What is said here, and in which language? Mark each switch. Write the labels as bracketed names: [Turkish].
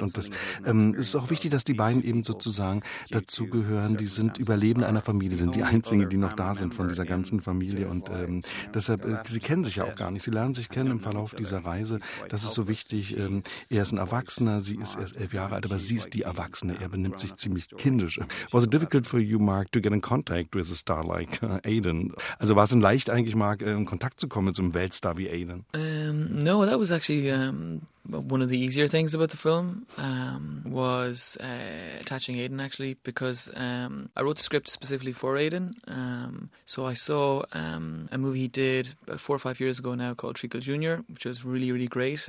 [German] Und das ist auch wichtig, dass die beiden eben sozusagen dazugehören. Die sind Überlebende einer Familie, sind die Einzigen, die noch da sind von dieser ganzen Familie. Und deshalb, sie kennen sich ja auch gar nicht. Sie lernen sich kennen im Verlauf dieser Reise. Das ist so wichtig. Er ist ein Erwachsener, sie ist erst 11 Jahre alt, aber sie ist die Erwachsene. Er benimmt sich ziemlich kindisch. [English] Was it difficult for you, Mark, to get in contact with a star like Aiden? [German] Also war es denn leicht eigentlich, Mark, in Kontakt zu kommen mit so einem Weltstar wie Aiden? [English] No, that was actually one of the easier things about the film was attaching Aiden, actually, because I wrote the script specifically for Aiden. So I saw a movie he did about 4 or 5 years ago now called Treacle Junior, which was really, really great.